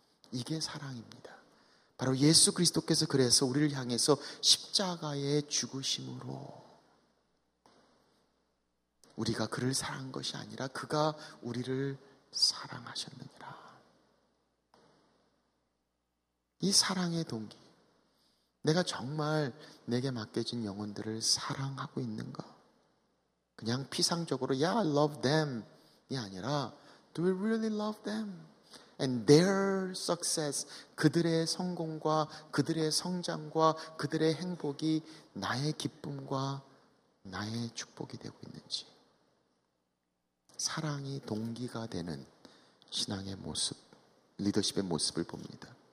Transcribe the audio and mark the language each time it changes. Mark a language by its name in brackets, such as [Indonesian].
[Korean] 이게 사랑입니다. 바로 예수 그리스도께서 그래서 우리를 향해서 십자가의 죽으심으로 우리가 그를 사랑한 것이 아니라 그가 우리를 사랑하셨느니라. 이 사랑의 동기, 내가 정말 내게 맡겨진 영혼들을 사랑하고 있는가? 그냥 피상적으로 [English] Yeah, I love them [Korean] 이 아니라 [English] Do we really love them? And their success, [Korean] 그들의 성공과 그들의 성장과 그들의 행복이 나의 기쁨과 나의 축복이 되고 있는지. 사랑이 동기가 되는 신앙의 모습, 리더십의 모습을 봅니다.